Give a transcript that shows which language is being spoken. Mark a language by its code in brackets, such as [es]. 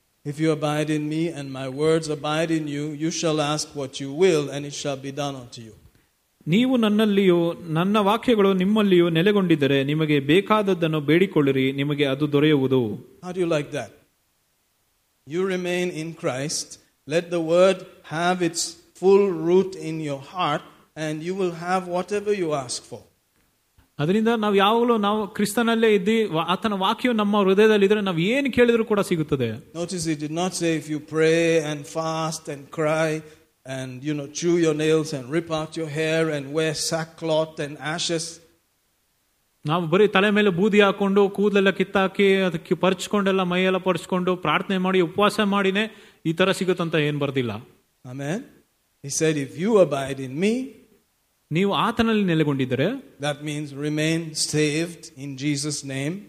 [en] If you abide in me and my words abide in you, you shall ask what you will and it shall be done unto you. [kn] ನೀವು ನನ್ನಲ್ಲಿಯು ನನ್ನ ವಾಕ್ಯಗಳು ನಿಮ್ಮಲ್ಲಿಯು ನೆಲೆಗೊಂಡಿದ್ದರೆ, ನಿಮಗೆ ಬೇಕಾದದ್ದನ್ನು ಬೇಡಿಕೊಳ್ಳಿರಿ, ನಿಮಗೆ ಅದು ದೊರೆಯುವುದು. [en] How do you like that? You remain in Christ, let the word have its full root in your heart and you will have whatever you ask for. [kn] ಅದರಿಂದ ನಾವು ಯಾವಾಗಲೂ ನಾವು ಕ್ರಿಸ್ತನಲ್ಲೇ ಇದ್ದು ಆತನ ವಾಕ್ಯವು ನಮ್ಮ ಹೃದಯದಲ್ಲಿ ಇದ್ರೆ ನಾವು ಏನು ಕೇಳಿದ್ರು ಕೂಡ ಸಿಗುತ್ತದೆ. [en] Notice, it did not say if you pray and fast and cry and you know chew your nails and rip out your hair and wear sackcloth and ashes. [kn] ನಾವು ಬರೀ ತಲೆ ಮೇಲೆ ಬೂದಿ ಹಾಕೊಂಡು ಕೂದಲೆಲ್ಲ ಕಿತ್ತಾಕಿ ಅದಕ್ಕೆ ಪರಿಚಕೊಂಡೆಲ್ಲ ಮೈಯೆಲ್ಲ ಪರಿಚಕೊಂಡು ಪ್ರಾರ್ಥನೆ ಮಾಡಿ ಉಪವಾಸ ಮಾಡಿನೇ ಈ ತರ ಸಿಗುತ್ತಂತ ಏನ್ ಬರ್ದಿಲ್ಲ. [en] Amen. He said if you abide in me, [kn] ನೀವು ಆತನಲ್ಲಿ ನೆಲೆಗೊಂಡಿದ್ದರೆ, [en] That means remain saved in Jesus name.